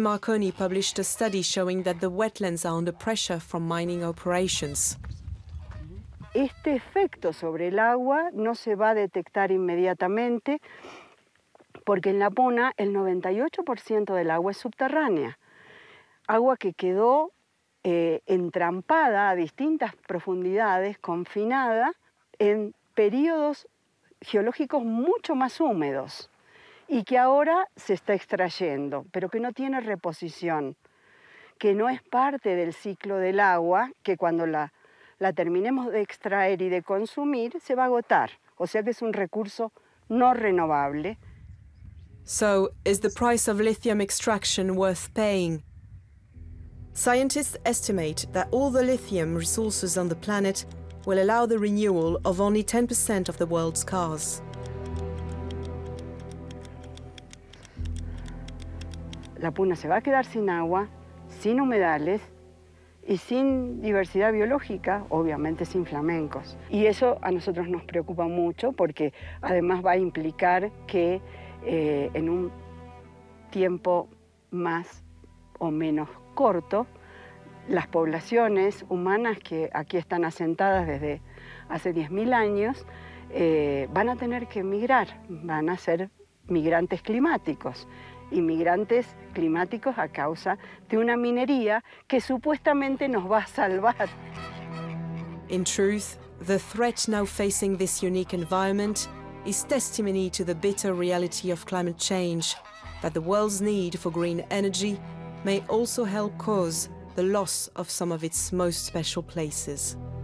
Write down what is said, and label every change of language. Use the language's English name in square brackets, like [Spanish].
[English] Marconi published a study showing that the wetlands are under pressure from mining operations. [Spanish] Este efecto sobre el agua no se va a detectar inmediatamente porque en la puna el 98% del agua es subterránea. Agua que quedó entrampada a distintas profundidades, confinada en periodos geológicos mucho más húmedos y que ahora se está extrayendo, pero que no tiene reposición, que no es parte del ciclo del agua, que cuando la terminemos de extraer y de consumir, se va a agotar. O sea que es un recurso no renovable. [English] So, is the price of lithium extraction worth paying? Scientists estimate that all the lithium resources on the planet will allow the renewal of only 10% of the world's cars. [Spanish] La puna se va a quedar sin agua, sin humedales, y sin diversidad biológica, obviamente sin flamencos. Y eso a nosotros nos preocupa mucho porque además va a implicar que en un tiempo más o menos corto, las poblaciones humanas que aquí están asentadas desde hace 10.000 años van a tener que emigrar, van a ser migrantes climáticos. Inmigrantes climáticos a causa de una minería que supuestamente nos va a salvar. [English] In truth, the threat now facing this unique environment is testimony to the bitter reality of climate change, that the world's need for green energy may also help cause the loss of some of its most special places.